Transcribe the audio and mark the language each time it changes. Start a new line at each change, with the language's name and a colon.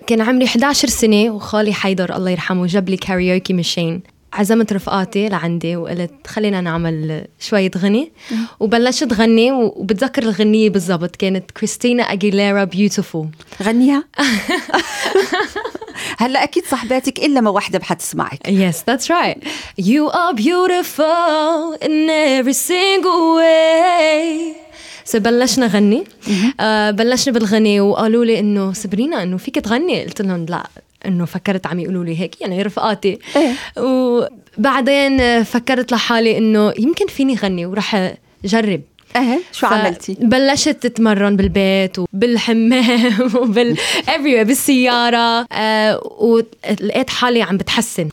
Arabic: كان عمري 11 سنة وخالي حيدر الله يرحمه جاب لي كاريوكي مشين، عزمت رفقاتي لعندي وقلت خلينا نعمل شوية غني وبلشت غني. وبتذكر الغنية بالضبط كانت كريستينا أجيليرا بيوتيفول غنيها. هلا أكيد صاحباتك إلا ما واحدة بحتسمعك.
English: Yes, that's right. You are beautiful in every single way.
Arabic: بلشنا غني. بلشنا بالغني وقالوا لي إنه سابرينا إنه فيك تغني. قلت لهم لا، إنه فكرت عم يقولوا لي هيك يعني رفقاتي. وبعدين فكرت لحالي إنه يمكن فيني غني ورح أجرب. شو عملتي؟ بلشت تتمرن بالبيت وبالحمام وبالأبريوة بالسيارة ولقيت حالي عم بتحسن